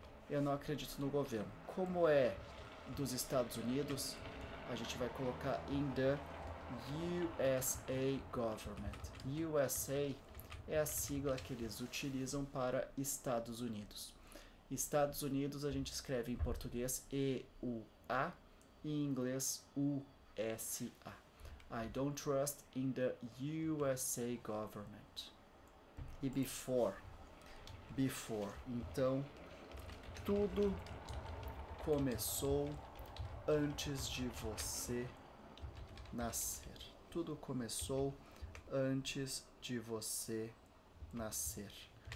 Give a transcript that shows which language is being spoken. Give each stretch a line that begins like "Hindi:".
Portuguese: Eu não acredito no governo. Como é dos Estados Unidos, a gente vai colocar
English: in the USA government.
Portuguese: USA é a sigla que eles utilizam para Estados Unidos. Estados Unidos a gente escreve em português EUA e em inglês USA.
English: I don't trust in the USA government. E before. Before.
Portuguese: Então, tudo começou antes de você nascer. Tudo começou antes de você nascer.